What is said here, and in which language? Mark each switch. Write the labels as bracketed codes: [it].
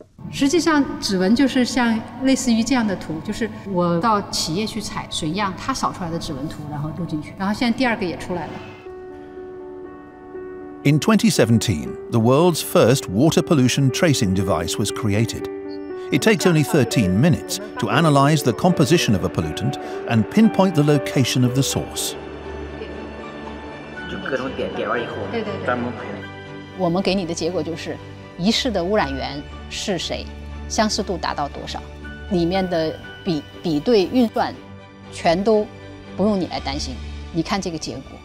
[zh] 实际上指纹就是像类似于这样的图，就是我到企业去采水样，它扫出来的指纹图，然后录进去，然后现在第二个也出来了。 [en] In 2017, the world's first water pollution tracing device was created. It takes only 13 minutes to analyze the composition of a pollutant and pinpoint the location of the source. [zh] 就各种点点完以后，对对对，专门拍的。我们给你的结果就是疑似的污染源。是谁，相似度达到多少，里面的比对运算全都不用你来担心，你看这个结果。